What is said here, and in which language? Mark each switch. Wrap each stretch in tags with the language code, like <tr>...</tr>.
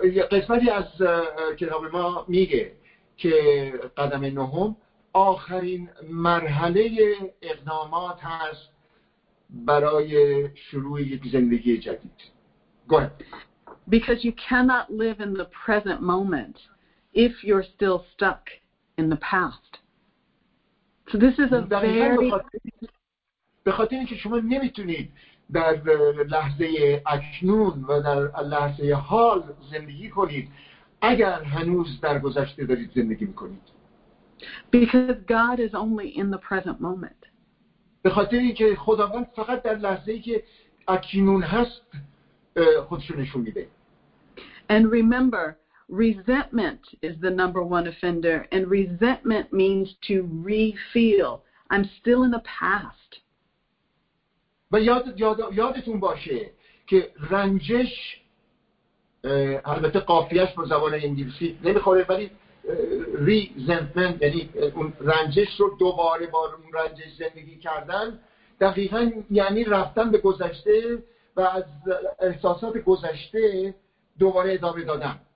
<fa>قسمتی از کتاب ما میگه که قدم نهم آخرین مرحله اقدامات هست برای شروع یک زندگی جدید.</fa> <en>Go ahead. Because you cannot live in the present moment if you're still stuck in the past. So this is a very...</en> <fa>به خاطر اینکه شما نمیتونید در لحظه اکنون و در لحظه حال زندگی کنید اگر هنوز در گذشته دارید زندگی میکنید.</fa> <en>Because God is only in the present moment.</en> <fa>به خاطر اینکه خداوند فقط در لحظه که اکنون هست خودشو نشون میده.</fa> <en>And remember, resentment is the number one offender, and resentment means to re-feel. I'm still in the past.</en> <fa>و یادتون باشه که رنجش، البته قافیهش با زبان انگلیسی نمیخوره، ولی resentment یعنی اون رنجش رو دوباره با اون رنجش زندگی کردن، دقیقا یعنی رفتن به گذشته و از احساسات گذشته دوباره ادامه دادم.</fa>